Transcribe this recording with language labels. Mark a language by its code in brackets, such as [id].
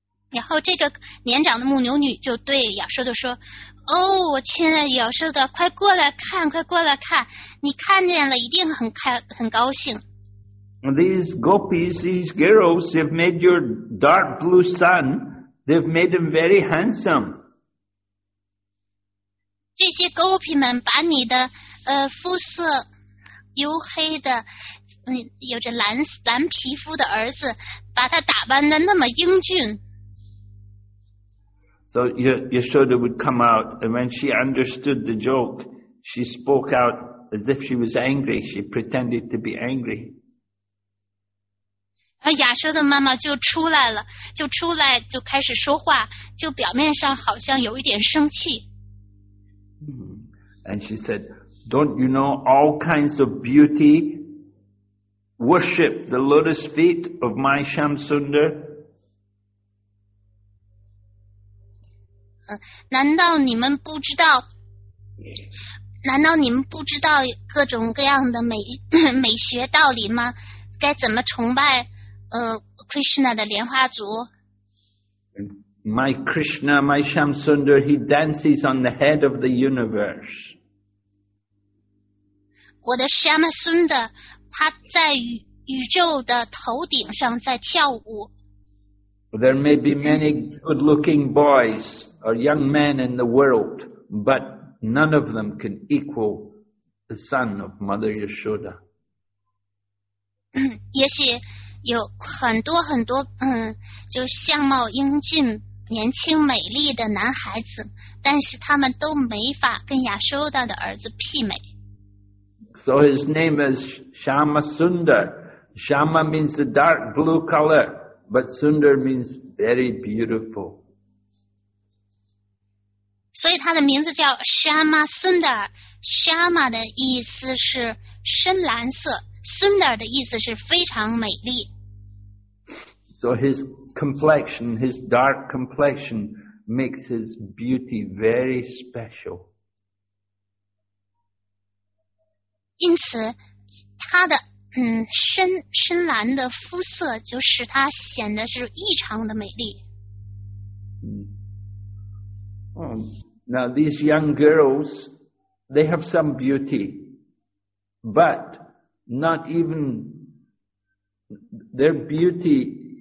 [zh] 然后这个年长的牧牛女就对亚瑟德说，哦，亲爱的有时候的，快过来看，快过来看，你看见了一定很高兴。 [en] These gopis, these girls, they've made your dark blue sun, they've made them very handsome. [zh] 这些 gopi 们把你的肤色黝黑的，有着 蓝皮肤的儿子，把他打扮的那么英俊。 [en] So Yashoda would come out, and when she understood the joke, she spoke out as if she was angry. She pretended to be angry. [zh] 而亚瑟的妈妈就出来了，就出来就开始说话，就表面上好像有一点生气。 [en] And she said, "Don't you know all kinds of beauty worship the lotus feet of my Shamsundar?" [zh] 难道你们不知道？难道你们不知道各种各样的美学道理吗？该怎么崇拜Krishna 的莲花足？ [en] My Krishna, my Shamsundar, he dances on the head of the universe. [zh] 我的 Shamsundar, 他在宇宙的头顶上在跳舞。 [en] There may be many good-looking boys or young men in the world, but none of them can equal the son of Mother Yashoda. [zh] 也许有很多很多就相貌英俊、年轻美丽的男孩子，但是他们都没法跟亚修达的儿子媲美。 [en] So his name is Shamsundar. Shama means the dark blue color, but Sundar means very beautiful. [zh] 所以他的名字叫 Shamsundar. Shama 的意思是深蓝色 ，Sundar 的意思是非常美丽。 [en] So his complexion, his dark complexion, makes his beauty very special. [zh] 因此，他的深蓝的肤色就使他显得是异常的美丽。 [en] Now these young girls, they have some beauty, but not even their beauty.